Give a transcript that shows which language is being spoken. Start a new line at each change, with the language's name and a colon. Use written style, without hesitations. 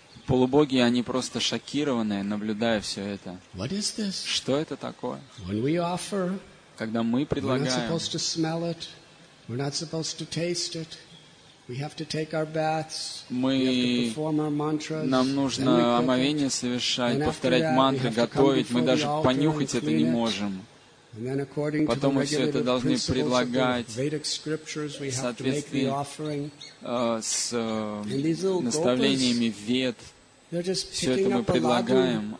Russian: Полубоги, они просто шокированные, наблюдая все это.
English: What is this?
Russian: Что это такое?
English: When we offer,
Russian: когда мы предлагаем,
English: we're not supposed to smell it, we're not supposed to taste it. We have to take our baths.
Russian: Мы нам нужно омовение совершать, повторять мантры, готовить. Мы даже понюхать это не можем. Потом мы все это должны предлагать в соответствии с наставлениями Вед. Все это мы предлагаем.